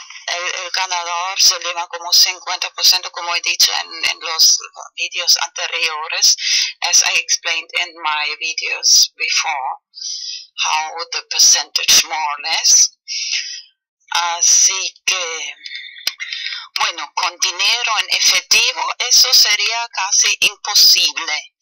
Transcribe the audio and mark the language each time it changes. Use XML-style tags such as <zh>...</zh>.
<es>El ganador se lleva como 50%, como he dicho en los videos anteriores.</es> <en>As I explained in my videos before, how the percentage more or less.</en> <es>Así que, bueno, con dinero en efectivo, eso sería casi imposible.</es>